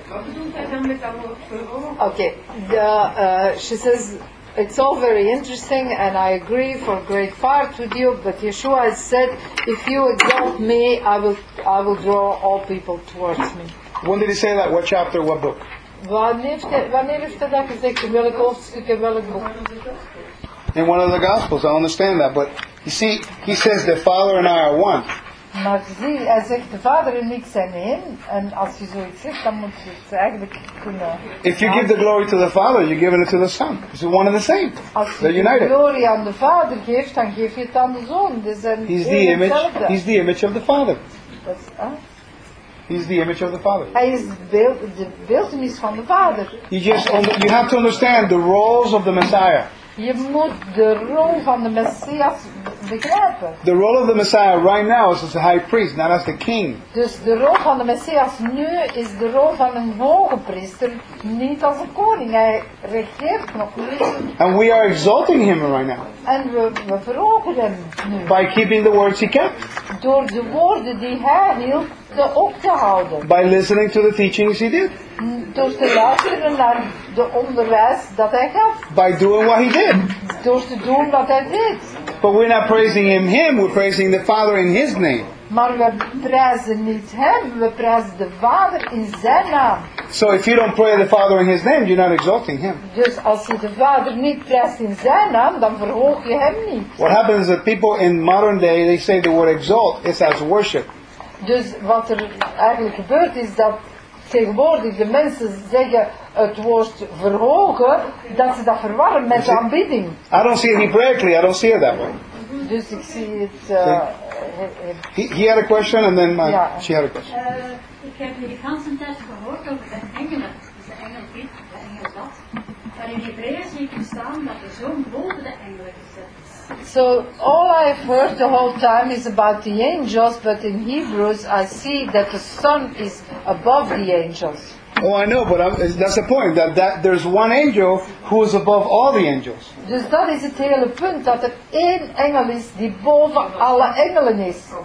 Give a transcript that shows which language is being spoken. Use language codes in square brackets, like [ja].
[en] Okay, she says it's all very interesting and I agree for a great part with you, but Yeshua has said, if you exalt me, I will draw all people towards me. When did he say that? What chapter? What book? In one of the Gospels. I understand that, but you see, he says the Father and I are one. [nl] Maar zie, hij zegt de Vader en ik zijn één. En als je zoiets zegt, dan moet je het eigenlijk kunnen. [en] If you give the glory to the Father, you give it to the Son. It's one and the same. [nl] Als je de glorie aan de Vader geeft, dan geef je het aan de Zoon. Dus [en] is He's the image of the Father. He's the image of the Father. [nl] Hij is de beeldenis van de Vader. [en] You have to understand the roles of the Messiah. [nl] Je moet de rol van de Messias begrijpen. [en] The role of the Messiah right now is as a high priest, not as the king. [nl] Dus de rol van de Messias nu is de rol van een hoge priester, niet als een koning. Hij regeert nog niet. [en] And we are exalting him right now. [nl] En we verhogen hem nu. [en] By keeping the words he kept. [nl] Door de woorden die hij hield. [en] By listening to the teachings he did. [nl] Door te luisteren naar de onderwijs dat hij gaf. [en] By doing what he did. [nl] Door te doen wat hij deed. [en] But we're not praising him, we're praising the Father in his name. [nl] Maar we prijzen niet hem, we prijzen de Vader in zijn naam. [en] So if you don't pray the Father in his name, you're not exalting him. [nl] Dus als je de Vader niet prijst in zijn naam, dan verhoog je hem niet. [en] What happens is that people in modern day, they say the word exalt is as worship. [nl] Dus wat er eigenlijk gebeurt is dat tegenwoordig de mensen zeggen het woord verhogen, dat ze dat verwarren met de aanbidding. [en] I don't see it Hebraically, I don't see it that way. [nl] Dus ik zie het... [en] He had a question and then she had a question. [nl] Ik heb de hele tijd gehoord over de engelen, dus de engel dit, de engel dat. Maar in Hebreeën zie ik staan dat de zoon boven de engelen gezet. [en] So all I've heard the whole time is about the angels, but in Hebrews I see that the Son is above the angels. Oh, I know, but that's the point, that there's one angel who is above all the angels. [nl] Dus dat is het hele punt, dat er één engel is die boven alle engelen is.